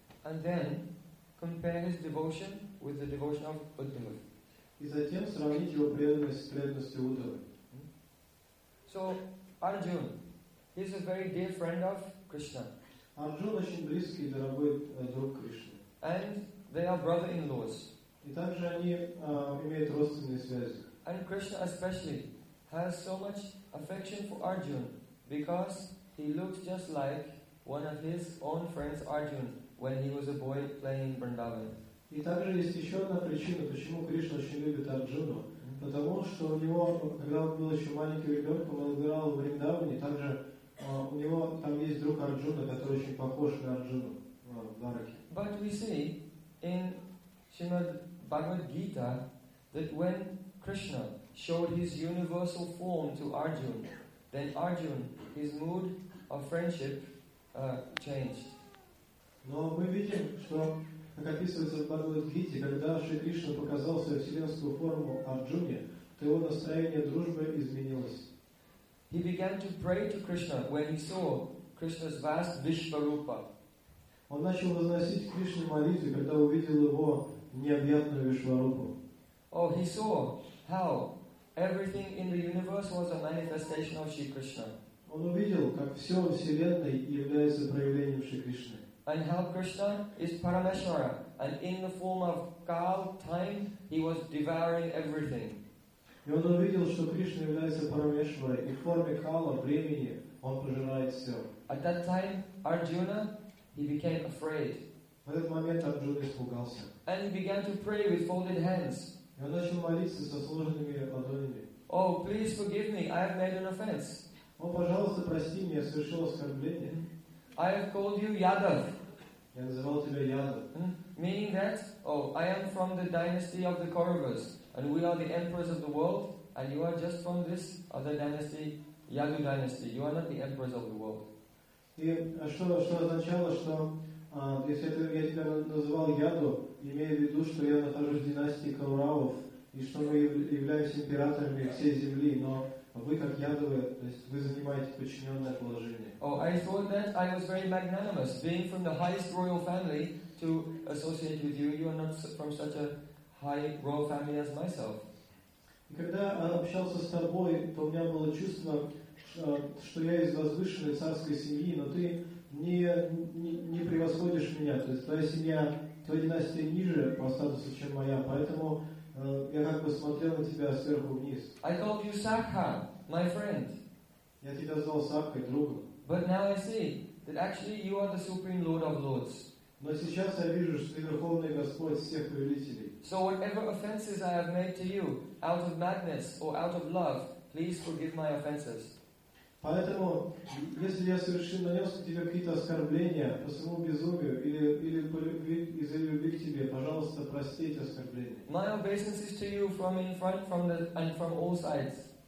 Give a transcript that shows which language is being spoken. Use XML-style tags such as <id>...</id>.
<en>And then compare his devotion with the devotion of Uddhava.</en> <ru>И затем сравнить его преданность с преданностью Удава.</ru> <en>So, Arjuna, he is a very dear friend of Krishna.</en> <ru>Arjuna очень близкий и дорогой друг Кришны.</ru> <en>And they are brother-in-laws.</en> <ru>И также они имеют родственные связи.</ru> <en>And Krishna especially has so much affection for Arjuna because he looked just like one of his own friends Arjuna when he was a boy playing Vrindavan.</en> <ru>И также есть еще одна причина, почему Кришна очень любит Арджуну. Потому что у него, когда он был еще маленьким ребенком, он играл в Риндавне, также у него там есть друг Арджуна, который очень похож на Арджуну в Бараке.</ru> <en>But we see in Srimad Bhagavad Gita that when Krishna showed his universal form to Arjuna, then Arjuna, his mood of friendship changed.</en> <ru>Но мы видим, что как описывается в Бхагавад-гите, когда Шри Кришна показал свою вселенскую форму Арджуне, то его настроение дружбы изменилось.</ru> <en>He began to pray to Krishna when he saw Krishna's vast Vishvarupa.</en> <ru>Он начал возносить Кришне молитвы, когда увидел его необъятную Вишварупу.</ru> <en>Oh, he saw how everything in the universe was a manifestation of Shri Krishna.</en> <ru>Он увидел, как все во вселенной является проявлением Шри Кришны.</ru> <en>And how Krishna is Parameshwara, and in the form of Kaal, time, he was devouring everything.</en> <ru>И он увидел, что Кришна является Парамешварой, и в форме Кала, времени, он пожирает все.</ru> <en>At that time, Arjuna, he became afraid.</en> <ru>В этот момент Арджуна испугался.</ru> <en>And he began to pray with folded hands.</en> <ru>И он начал молиться со сложенными ладонями.</ru> <en>Oh, please forgive me, I have made an offense.</en> <ru>О, пожалуйста, прости меня, я совершил оскорбление.</ru> <en>I have called you Yadav.</en> <ru>Я называл тебя Yadav.</ru> <en>Meaning that, oh, I am from the dynasty of the Kauravas, and we are the emperors of the world, and you are just from this other dynasty, Yadu dynasty. You are not the emperors of the world.</en> <ru>И что означало, что если я тебя называл Яду, имея в виду, что я нахожусь в династии Кауравов, и что мы являемся императорами всей земли, но вы как Ядовы, то есть вы занимаете подчиненное положение.</ru> <en>Oh, I thought that I was very magnanimous, being from the highest royal family, to associate with you. You are not from such a high royal family as myself.</en> <ru>И когда общался с тобой, то у меня было чувство, что я из возвышенной царской семьи, но ты не превосходишь меня. То есть твоя семья, твоя династия ниже по статусу, чем моя, поэтому я как бы смотрел на тебя сверху вниз.</ru> <en>I called you Sakha, my friend.</en> <ru>Я тебя звал Сакхой, другом.</ru> <en>But now I see that actually you are the Supreme Lord of Lords.</en> <ru>Но сейчас я вижу, что ты Верховный Господь всех повелителей.</ru> <en>So whatever offenses I have made to you, out of madness or out of love, please forgive my offenses.</en> <ru>Поэтому, если я совершил, нанес тебе какие-то оскорбления по своему безумию или из-за любви к тебе, пожалуйста, прости эти оскорбления.</ru> <en>My obeisance is to you from in front, from the, and from all sides.</en>